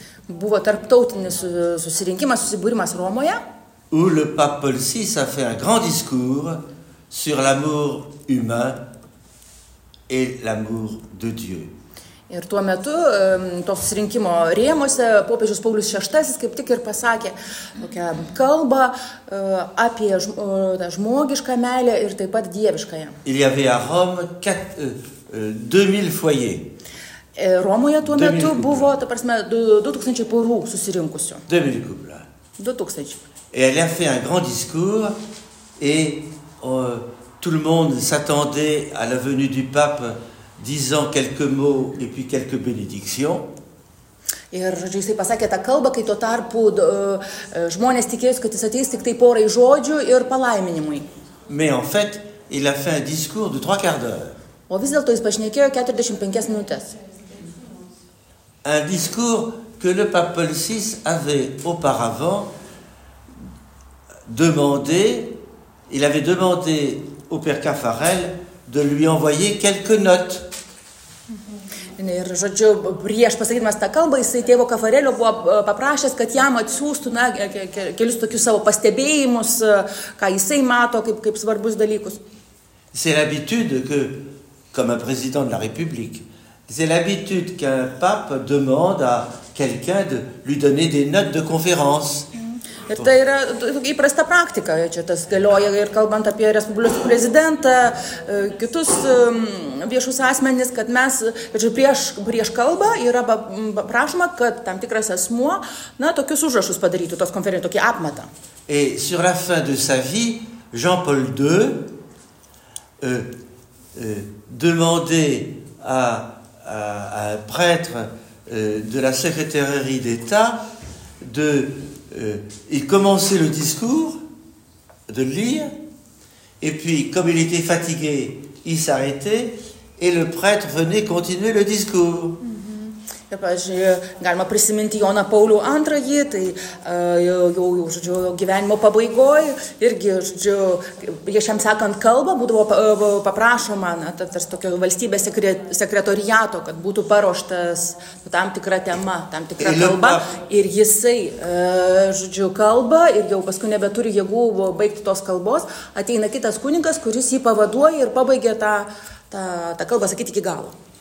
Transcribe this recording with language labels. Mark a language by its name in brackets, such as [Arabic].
[Lithuanian] buvo tarptautinis susirinkimas, susibūrimas Romoje, [French] où le pape Paul VI a fait un grand discours sur l'amour humain et l'amour de Dieu. [Lithuanian] Ir tuo metu, to susirinkimo rėmose, popiežius Paulius VI kaip tik ir pasakė tokią kalbą apie žmogišką meilę ir taip pat dieviškąją. [French] Il y avait à Rome 2000 foyers. [Lithuanian] Romoje tuo metu buvo, 2000 porų susirinkusių. [French] 2000 couples. 2000. Et elle a fait un grand discours et tout le monde s'attendait à la venue du pape disant quelques mots et puis quelques bénédictions. [Lithuanian] Ir jisai pasakė tą kalbą, kai tuo tarpu žmonės tikėjus, kad jis ateis tik tai porai žodžių ir palaiminimui. [French] Mais en fait, il a fait un discours de 3 quarts d'heure. [Lithuanian] O vis dėlto jis pašnekėjo 45 minutės. [French] Un discours que le pape Paul VI avait auparavant demandé, il avait demandé au père Caffarel de lui envoyer quelques notes. [Lithuanian] Ir, žodžiu, prieš pasakydamas tą kalbą, jisai tėvo Kafarelio buvo paprašęs, kad jam atsiūstų kelius tokius savo pastebėjimus, ką jisai mato kaip svarbus dalykus. [French] C'est l'habitude que, comme un président de la République, c'est l'habitude qu'un pape demande à quelqu'un de lui donner des notes de conférence. [Lithuanian] Ir tai yra įprasta praktika, čia tas galioja ir kalbant apie Respublikos prezidentą, kitus viešus asmenis, kad mes prieš kalbą yra prašoma, kad tam tikras asmuo, na, tokius užrašus padarytų tos konferencijos, tokį apmatą. [French] Et sur la fin de sa vie, Jean-Paul II demandait à un prêtre de la secrétairie d'État de il commençait le discours de le lire et puis comme il était fatigué il s'arrêtait et le prêtre venait continuer le discours. [Lithuanian] Ir, pavyzdžiui, galima prisiminti Joną Paulių II, tai jau gyvenimo pabaigoje, irgi, žodžiu, jie šiam sakant kalbą, būdavo paprašoma, tokio valstybės sekretoriato, kad būtų paruoštas tam tikra tema, tam tikra kalba, ir jisai, žodžiu, kalba, ir jau paskui nebeturi jėgų baigti tos kalbos, ateina kitas kunigas, kuris jį pavaduoja ir pabaigia tą kalbą sakyti iki galo.